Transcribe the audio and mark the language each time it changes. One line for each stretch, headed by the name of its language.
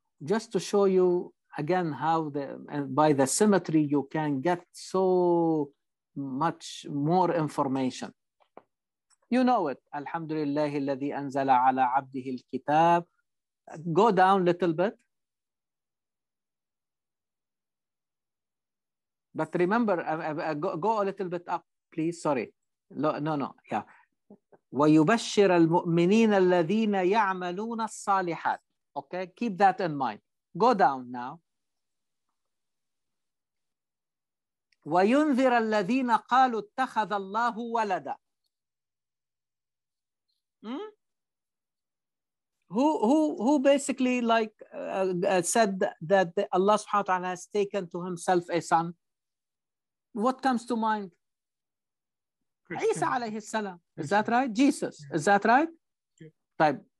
English: Just to show you again how by the symmetry you can get so much more information. You know it.
Arabic: Alhamdulillah, الذي أنزل على عبده الكتاب.
English: Go down a little bit. But remember, go a little bit up, please. Sorry. No. Yeah.
Arabic: ويبشر المؤمنين الذين يعملون الصالحات.
English: Okay, keep that in mind. Go down now.
Arabic: وينذر الذين قالوا اتخذ الله ولدا.
English: Who basically said that Allah subhanahu wa ta'ala has taken to himself a son? What comes to mind? Isa alayhi salam. Is that right? Jesus. Yeah. Is that right? Yeah.